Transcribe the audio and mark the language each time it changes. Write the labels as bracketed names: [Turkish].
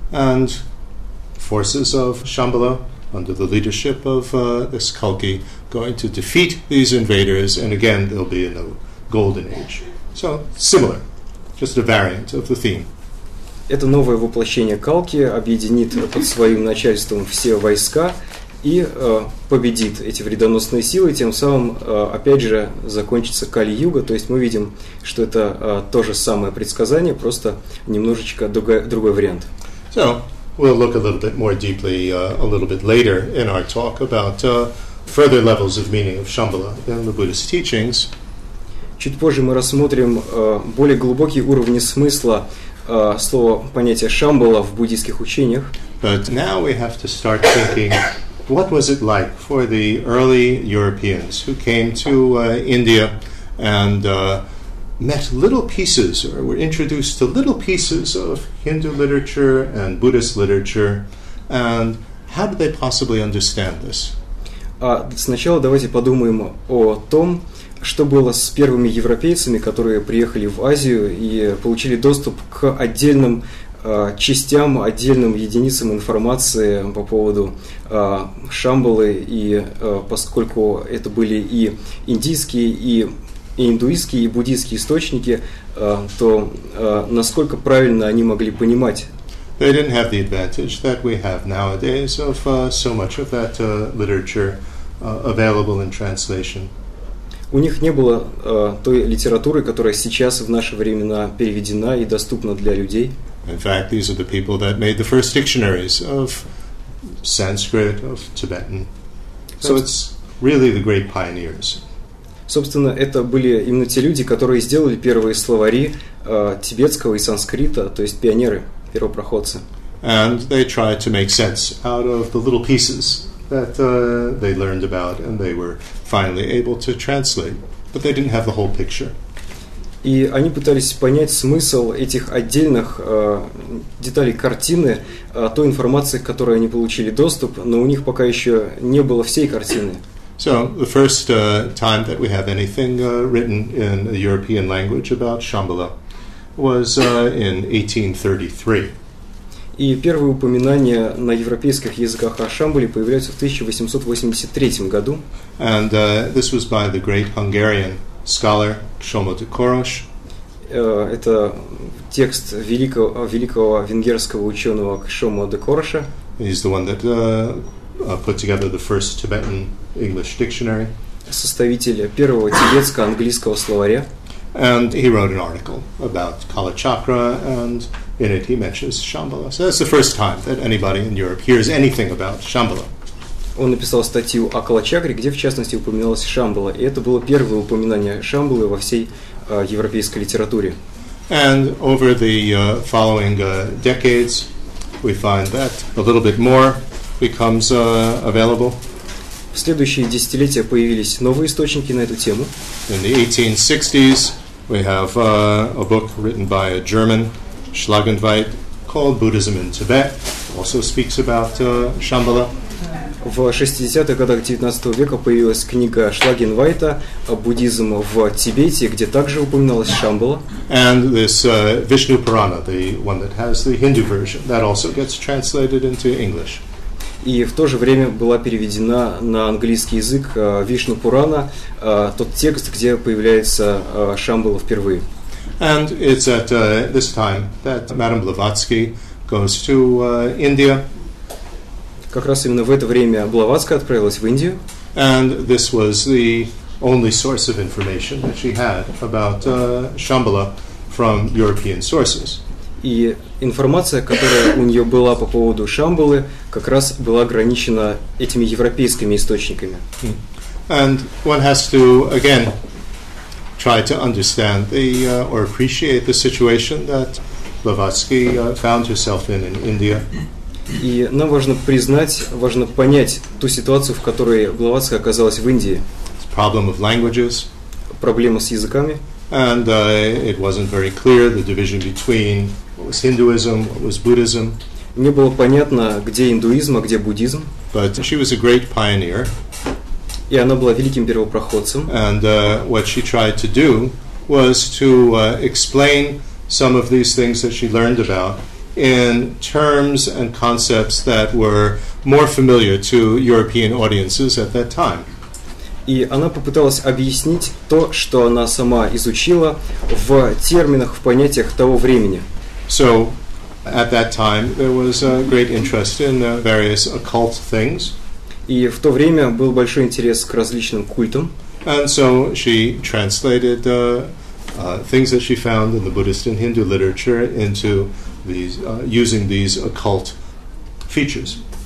[English] And forces of Шамбала, under the leadership of this Kalki, going to defeat these invaders, and again, there'll be a golden age. So, similar, just a variant of the theme. [Russian] Это новое воплощение Калки объединит под своим начальством все войска и победит эти вредоносные силы, тем самым, опять же, закончится Кали-юга. То есть мы видим, что это то же самое предсказание, просто немножечко другой вариант. [English] So, we'll look a little bit more deeply a little bit later in our talk about further levels of meaning of Shambhala in the Buddhist teachings. [Russian] Чуть позже мы рассмотрим более глубокие уровни смысла слово понятие Шамбала в буддийских учениях. [English] But now we have to start thinking, what was it like for the early Europeans who came to India and met little pieces or were introduced to little pieces of Hindu literature and Buddhist literature, and how did they possibly understand this? [Russian] Сначала давайте подумаем о том, что было с первыми европейцами, которые приехали в Азию и получили доступ к отдельным частям, отдельным единицам информации по поводу Шамбалы, и поскольку это были и индийские, и индуистские, и буддийские источники, то насколько правильно они могли понимать? [English] They didn't have the advantage that we have nowadays of so much of that literature available in translation. [Russian] У них не было той литературы, которая сейчас в наши времена переведена и доступна для людей. [English] In fact, these are the people that made the first dictionaries of Sanskrit, of Tibetan. So it's really the great pioneers. [Russian] Собственно, это были именно те люди, которые сделали первые словари тибетского и санскрита, то есть пионеры, первопроходцы. [English] And they tried to make sense out of the little pieces that they learned about and they were finally able to translate, but they didn't have the whole picture. [Russian] И они пытались понять смысл этих отдельных деталей картины, той информации, к которой они получили доступ, но у них пока еще не было всей картины. [English] So, the first time that we have anything written in a European language about Shambhala was in 1833. [Russian] И первые упоминания на европейских языках о Шамбале появляются в 1883 году. [English] And this was by the great Hungarian scholar Kshomo de Korosh. [Russian] Это текст великого венгерского ученого Кшомо де Короша. [English] He's the one that put together the first Tibetan English dictionary. [Russian] Составитель первого тибетско-английского словаря. [English] And he wrote an article about Kala Chakra, and in it he mentions Shambhala. So that's the first time that anybody in Europe hears anything about Shambhala. [Russian] Он написал статью о Кала Чакре, где в частности упоминалась Шамбала, и это было первое упоминание Шамбалы во всей европейской литературе. [English] And over the following decades, we find that a little bit more becomes available. [Russian] В следующие десятилетия появились новые источники на эту тему. [English] In the 1860s, we have a book written by a German, Schlagenwald, called Buddhism in Tibet. Also speaks about Shambhala. [Russian] В 60-х годах 19 века появилась книга Шлагенвайта о буддизме в Тибете, где также упоминалась Шамбала. [English] And this Vishnu Purana, the one that has the Hindu version, that also gets translated into English. [Russian] И в то же время была переведена на английский язык Вишну Пурана, тот текст, где появляется Шамбала впервые. [English] And it's at this time that Madame Blavatsky goes to India. [Russian] Как раз именно в это время Блаватская отправилась в Индию. [English] And this was the only source of information that she had about Shambhala from European sources. [Russian] И информация, которая у нее была по поводу Шамбалы, как раз была ограничена этими европейскими источниками. [English] And one has to, again, try to understand the, or appreciate the situation that Blavatsky found herself in India. [Russian] И нам важно признать, важно понять ту ситуацию, в которой Блаватская оказалась в Индии. [English] It's a problem of languages. [Russian] Проблема с языками. [English] And it wasn't very clear, the division between what was Hinduism, what was Buddhism. [Russian] Не было понятно, где индуизм, а где буддизм. [English] But she was a great pioneer. [Russian] И она была великим первопроходцем. [English] And what she tried to do was to explain some of these things that she learned about in terms and concepts that were more familiar to European audiences at that time. [Russian] И она попыталась объяснить то, что она сама изучила, в терминах, в понятиях того времени. [English] So, at that time, there was a great interest in various occult things. [Russian] И в то время был большой интерес к различным культам. [English] And so she translated things that she found in the Buddhist and Hindu literature into these using these occult features.